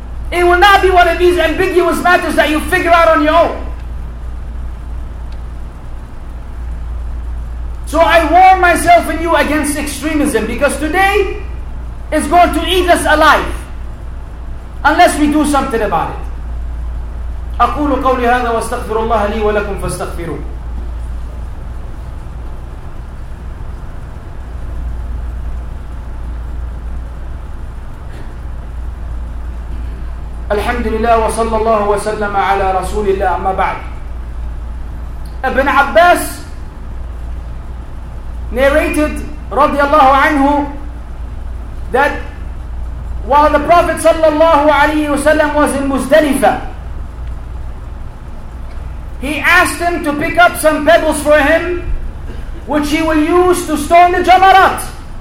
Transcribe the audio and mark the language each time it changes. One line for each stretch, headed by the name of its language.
English: It will not be one of these ambiguous matters that you figure out on your own. So I warn myself and you against extremism, because today is going to eat us alive unless we do something about it.
Arabic: أقول قولي هذا واستغفر الله لي ولكم فاستغفروا. الحمد لله وصلى الله وسلم على رسول الله.
English: أما بعد, ابن عباس narrated رضي الله عنه that while the Prophet صلى الله عليه وسلم was in Muzdalifah, he asked him to pick up some pebbles for him which he will use to stone the Jamarat.